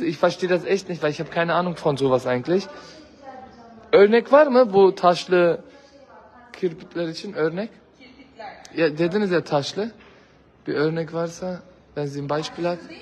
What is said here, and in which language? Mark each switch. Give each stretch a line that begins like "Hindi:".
German: Ich verstehe das echt nicht, weil ich habe keine Ahnung von sowas eigentlich.
Turkish: Örnek var mı bu taşlı kirpikler için? Örnek? Ja, dediniz ya taşlı. Bir örnek varsa,
German: wenn sie ein Beispiel hat.